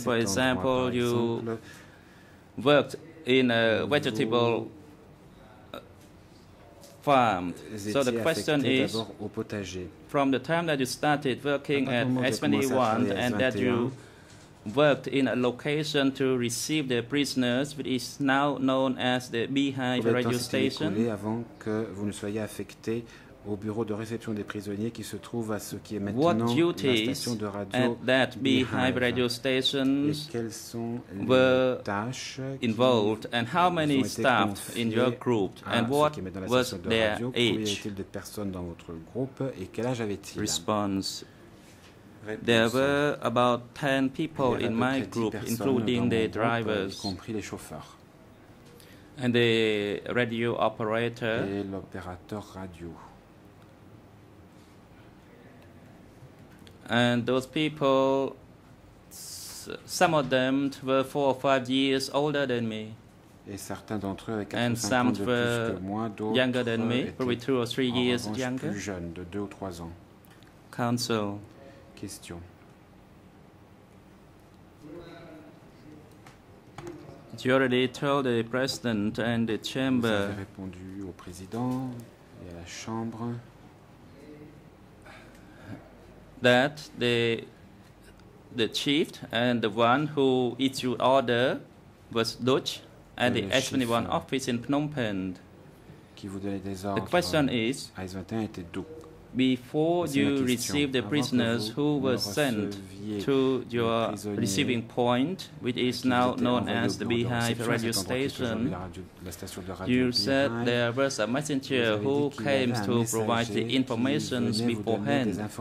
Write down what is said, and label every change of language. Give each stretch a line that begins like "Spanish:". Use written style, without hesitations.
English: For example, you worked in a vegetable farm. So the question is, from the time that you started working at S21 and that you worked in a location to receive the prisoners, which is now known as the Beehive radio station.
French: Avant que vous ne soyez affecté au bureau de réception des prisonniers qui se trouve à ce qui est maintenant la station de radio.
English: What duties at that Beehive radio station were involved, and how many staff in your group, and what was their age?
French: Combien de personnes dans votre groupe et quel âge avait-il?
English: Response. There were about 10 people in my group, including the drivers,
French: y compris les chauffeurs,
English: and the radio operator.
French: Et l'opérateur radio.
English: And those people, some of them were 4 or 5 years older than me.
French: Et certains d'entre eux avaient 4 ou 5 ans de plus que moi, d'autres
English: younger than me, probably 2 or 3 years younger.
French: Plus jeunes, de 2 ou 3 ans.
English: Council. Question. You already told the President and the Chamber.
French: Vous avez répondu au Président et à la Chambre.
English: That the chief and the one who issued order was Dutch at the S21 office in Phnom Penh.
French: Qui vous donnait des ordres.
English: The question is, before you received the prisoners who were sent to your receiving point, which is now known as the Beehive radio station, you said there was a messenger who came to provide the information beforehand.